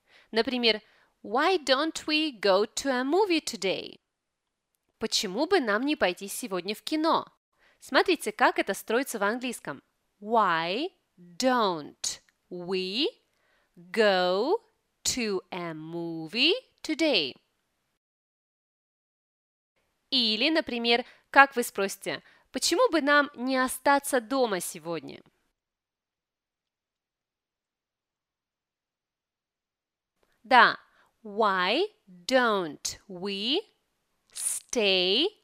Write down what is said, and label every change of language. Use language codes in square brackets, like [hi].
[ru] Например, [en] Why don't we go to a movie today? [ru] Почему бы нам не пойти сегодня в кино? Смотрите, как это строится в английском. [en] Why don't we go to a movie today? [ru] Или, например, как вы спросите, почему бы нам не остаться дома сегодня? Да. [en] Why don't we stay